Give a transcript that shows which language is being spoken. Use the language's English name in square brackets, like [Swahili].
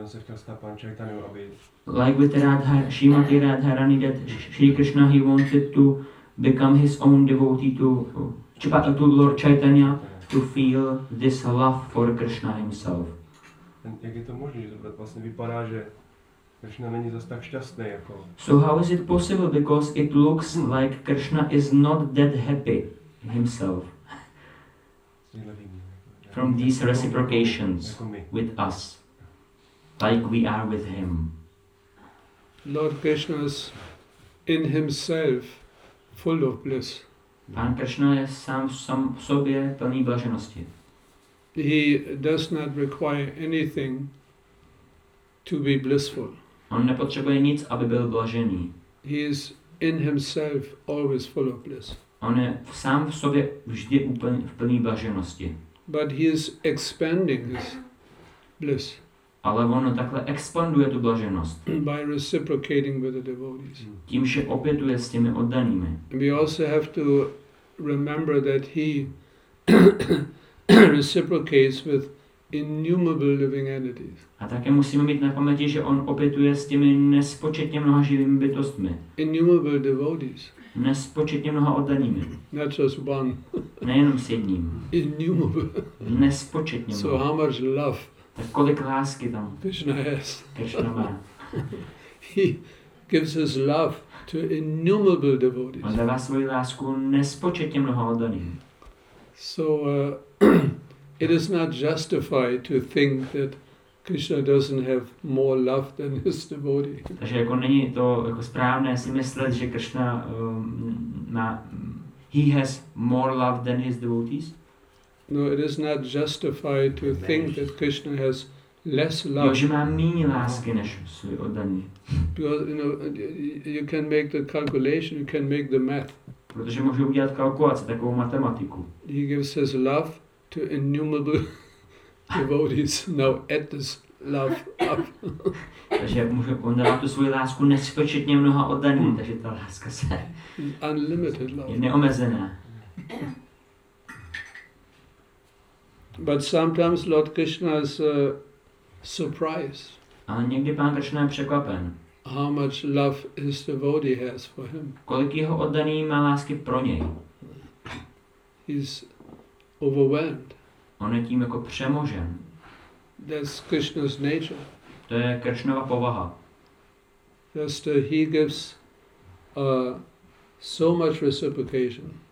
[English] Like with Radha, Srimati Radharani, that Shri Krishna, he wanted to become his own devotee to Lord Chaitanya to feel this love for Krishna himself. [Czech] Jak je to možné, že to vlastně vypadá, že Krishna není zas tak šťastný jako. [English] So how is it possible because it looks like Krishna is not that happy himself. from these reciprocations with us, like we are with him. Lord Krishna is in himself full of bliss. [Czech] Pán Krishna je sám v sobě plný blaženosti. [English] He does not require anything to be blissful. [Czech] On nepotřebuje nic, aby byl blažený. [English] He is in himself always full of bliss. [Czech] On je sám v sobě vždy úplně v plný blaženosti. [English] But he is expanding his bliss. [Czech] Ale on takhle expanduje tu blaženost. [English] By reciprocating with the devotees. [Czech] Tím, že obětuje s těmi oddanými. [English] We also have to remember that he reciprocates with innumerable living entities. [Czech] A také musíme mít na paměti, že on obětuje s těmi nespočetně mnoha živými bytostmi. [English] Innumerable devotees. [Czech] Nespočetně mnoha oddanými. [English] Not just one. [Czech] Nejenom s jedním. [English] Innumerable. [Czech] Nespočetně mnoha. [English] So how much love. [Czech] Tak kolik lásky tam? [English] Krishna has. [Czech] Krishna má. [English] He gives his love to innumerable devotees. [Czech] On dává svoji lásku nespočetně mnoha oddaným. [English] So it is not justified to think that Krishna doesn't have more love than his devotee. [Czech] Takže jako není to jako správné si myslet, že Krishna má [English] he has more love than his devotees. No, it is not justified to think that Krishna has less love. [Czech] Jo, že má méně lásky než svůj oddaný. [English] Because you know, you can make the calculation, you can make the math. [Czech] Protože může udělat kalkulaci, takovou matematiku. [English] He gives his love to innumerable devotees. Now add this love up. [Czech] Takže může on dávat tu svoji lásku nespočetně mnoha oddaným, takže ta láska se [English] unlimited love. [Czech] Je neomezená. [English] But sometimes Lord Krishna is surprised. [Czech] Ale někdy pán Krishna je překvapen. [English] How much love his devotee has for him. [Czech] Kolik jeho oddaný má lásky pro něj. [English] He's overwhelmed. [Czech] On je tím jako přemožen. [English] That's Krishna's nature. [Czech] To je Krishnova povaha. [English] Just he gives so much reciprocation.